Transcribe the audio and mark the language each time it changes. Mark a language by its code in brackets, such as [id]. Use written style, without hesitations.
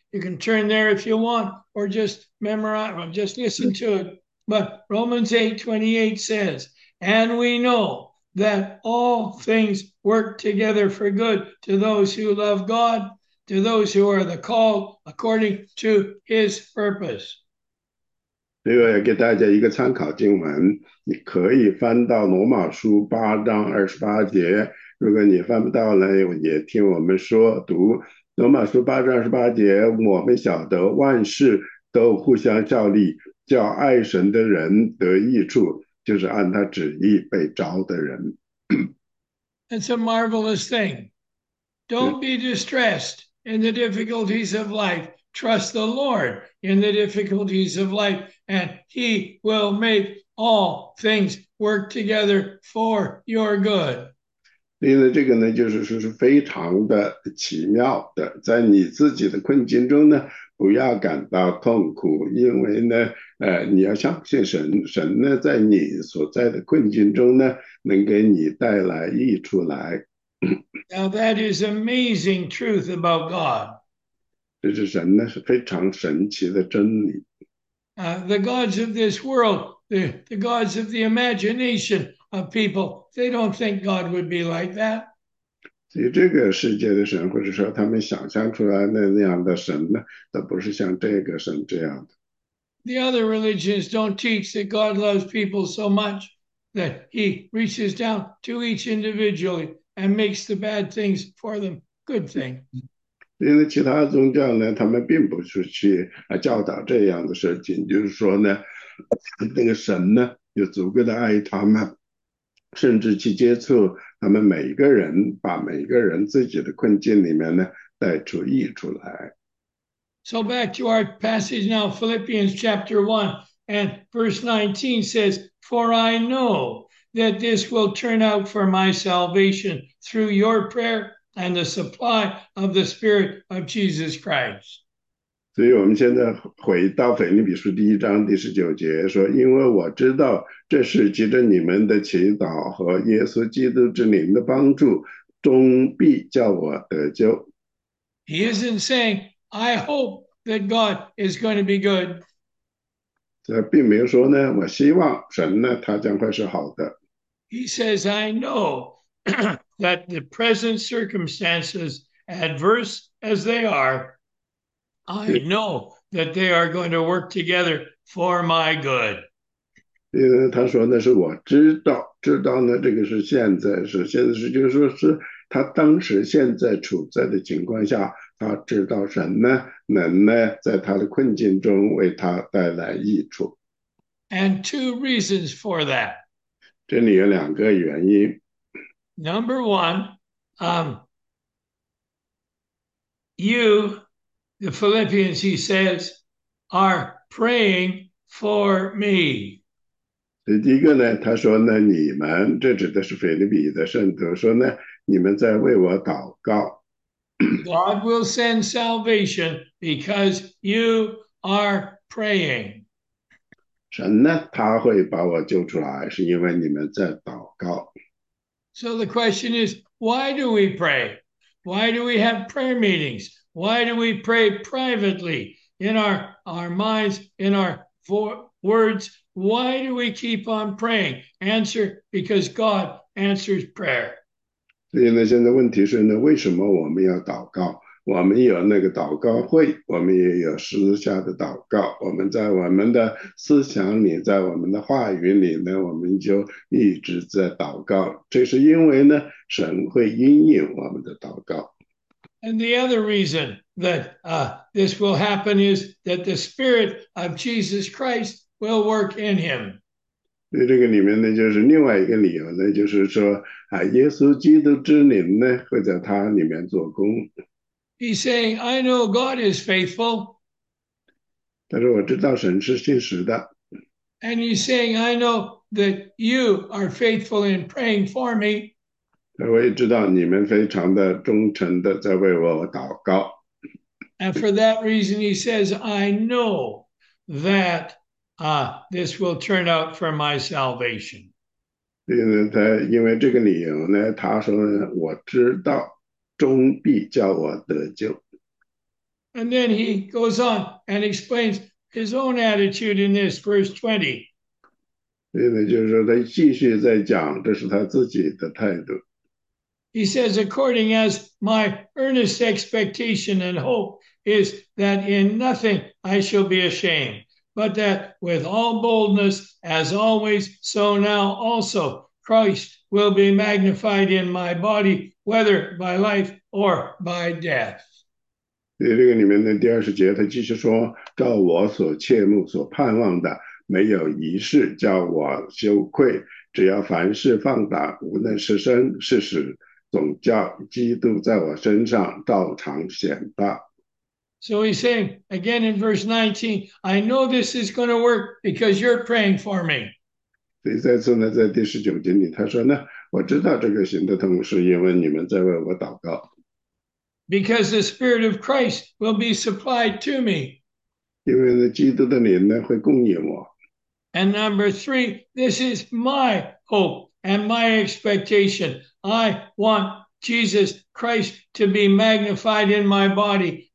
[en] You can turn there if you want, or just memorize, or just listen to it. But Romans 8, 28 says, "And we know that all things work together for good to those who love God, to those who are the called according to his purpose." [zh] 这个给大家一个参考经文，你可以翻到罗马书8章28节。如果你翻不到呢，也听我们说读罗马书8章28节。我们晓得万事都互相效力，叫爱神的人得益处，就是按他旨意被召的人。 [en] It's a marvelous thing. Don't be distressed in the difficulties of life. Trust the Lord in the difficulties of life, and He will make all things work together for your good. [zh] 所以呢，这个呢，就是说是非常的奇妙的，在你自己的困境中呢，不要感到痛苦，因为呢，你要相信神，神呢，在你所在的困境中呢，能给你带来益处来。 [en] Now that is amazing truth about God. [zh] 这是神呢，是非常神奇的真理。 [en] The gods of this world, the gods of the imagination of people, they don't think God would be like that. [zh] 所以这个世界的神，或者说他们想象出来的那样的神呢，都不是像这个神这样的。 [en] The other religions don't teach that God loves people so much that he reaches down to each individually. And makes the bad things for them good thing. [zh] 因为其他宗教呢，他们并不是去教导这样的事情，就是说呢，那个神呢，有足够的爱他们。甚至去接触他们每一个人，把每一个人自己的困境里面呢带出益处来。 [en] So back to our passage now, Philippians chapter 1 and verse 19 says, "For I know that this will turn out for my salvation through your prayer and the supply of the Spirit of Jesus Christ." [zh] 所以我们现在回到腓立比书1章19节，说：“因为我知道这事借着你们的祈祷和耶稣基督之灵的帮助，终必叫我得救。 [en] He isn't saying, "I hope that God is going to be good." [zh] ”这并没有说呢，我希望神呢，他将会是好的。 [en] He says, "I know that the present circumstances, adverse as they are, I know that they are going to work together for my good." [zh] 因为他说那是我知道呢，这个是现在是，就是说是他当时现在处在的情况下，他知道神呢能呢在他的困境中为他带来益处。 [en] And two reasons for that. [zh] 这里有两个原因。 [en] Number one, you, the Philippians, he says, are praying for me. [zh] 第一个呢，他说呢，你们，这指的是腓立比的圣徒，说呢，你们在为我祷告。 [en] God will send salvation because you are praying. [zh] 神呢，他会把我救出来，是因为你们在祷告。 [en] So the question is, why do we pray? Why do we have prayer meetings? Why do we pray privately in our minds, in our words? Why do we keep on praying? Answer, because God answers prayer. [zh] 所以呢，现在问题是呢，为什么我们要祷告？我们有那个祷告会，我们也有私下的祷告。我们在我们的思想里，在我们的话语里呢，我们就一直在祷告。这是因为呢，神会应允我们的祷告。 [en] And the other reason that this will happen is that the Spirit of Jesus Christ will work in him. [zh] 那这个里面呢，就是另外一个理由呢，就是说啊，耶稣基督之灵呢会在他里面做工。 [en] He's saying, I know God is faithful. [zh] 他说我知道神是信实的。 [en] And he's saying, I know that you are faithful in praying for me. [zh] 他说我也知道你们非常的忠诚的在为我祷告。 [en] And for that reason, he says, I know that this will turn out for my salvation. [zh] 因为这个理由呢，他说呢，我知道，终必叫我得救。 [en] And then he goes on and explains his own attitude in this verse 20. [zh] 就是说他继续在讲，这是他自己的态度。 [en] He says, according as my earnest expectation and hope. Is that in nothing I shall be ashamed, but that with all boldness, as always, so now also, Christ will be magnified in my body, whether by life or by death. [zh] 所以这个里面的第20节，他继续说：“照我所切慕、所盼望的，没有一事叫我羞愧。只要凡事放胆，无论是生是死，总叫基督在我身上照常显大。 [en] So he's saying again in verse 19, I know this is going to work because you're praying for me. [zh] ”所以再次呢，在19节里，他说呢：“我知道这个行得通，是因为你们在为我祷告。” [en] Because the Spirit of Christ will be supplied to me. [zh] 因为呢，基督的灵呢会供应我。 [en] And number three, this is my hope and my expectation. I want Jesus Christ to be magnified in my body.